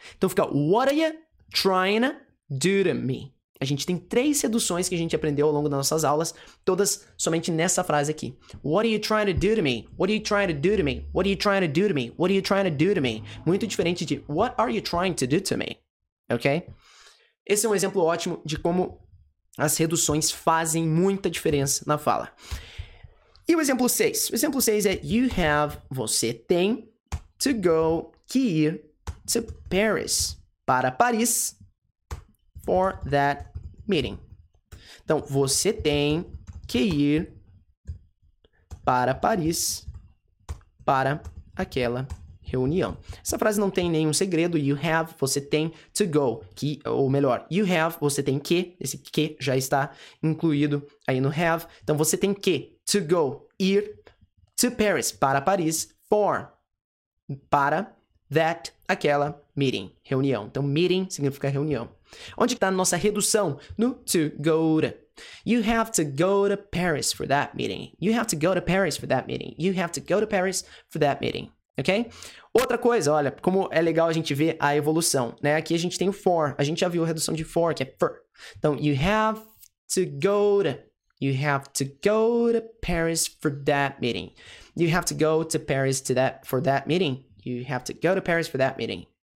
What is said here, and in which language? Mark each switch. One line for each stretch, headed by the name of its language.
Portuguese: Então fica
English: what are you trying to do to me?
Portuguese: A gente tem três reduções que a gente aprendeu ao longo das nossas aulas, todas somente nessa frase aqui.
English: What are you trying to do to me? What are you trying to do to me? What are you trying to do to me? What are you trying to do to me?
Portuguese: Muito diferente de
English: what are you trying to do to me? Ok?
Portuguese: Esse é um exemplo ótimo de como as reduções fazem muita diferença na fala. E o exemplo 6? O exemplo 6 é you have, você tem, to go, que ir, to Paris, para Paris,
English: for that meeting.
Portuguese: Então, você tem que ir para Paris, para aquela reunião. Essa frase não tem nenhum segredo. You have, você tem to go. Que, ou melhor, you have, você tem que. Esse que já está incluído aí no have. Então, você tem que to go, ir to Paris, para Paris, for, para that, aquela, meeting, reunião. Então, meeting significa reunião. Onde está a nossa redução?
English: No to go to. You have to go to Paris for that meeting. You have to go to Paris for that meeting. You have to go to Paris for that meeting. ok?
Portuguese: Outra coisa, olha, como é legal a gente ver a evolução, né? Aqui a gente tem o for. A gente já viu a redução de for, que é for.
English: Então, you have to go to... You have to go to Paris for that meeting. You have to go to Paris to that, for that meeting. You have to go to Paris for that meeting.